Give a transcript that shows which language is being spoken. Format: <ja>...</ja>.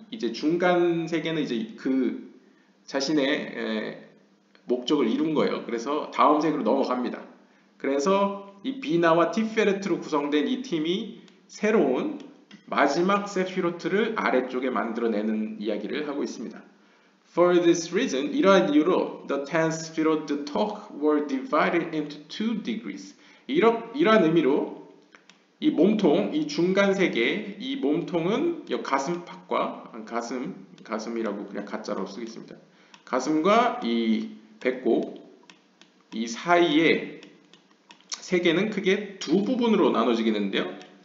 <ko>이제 중간 세계는 이제 그 자신의 목적을 이룬 거예요. 그래서 다음 세계로 넘어갑니다. 그래서 이 비나와 티페레트로 구성된 이 팀이 새로운 마지막 세피로트를 아래쪽에 만들어내는 이야기를 하고 있습니다.</ko> <en>For this reason,</en> <ko>이러한 이유로</ko> <en>the ten Sephiroth, the Tok were divided into two degrees.</en> <ko>이러한 의미로 이 몸통, 이 중간 세계, 이 몸통은 이 가슴팍과 가슴이라고 그냥 가짜로 쓰겠습니다. 가슴과 이 배꼽 이 사이에 세계는 크게 두 부분으로 나눠지게 되는데요.</ko>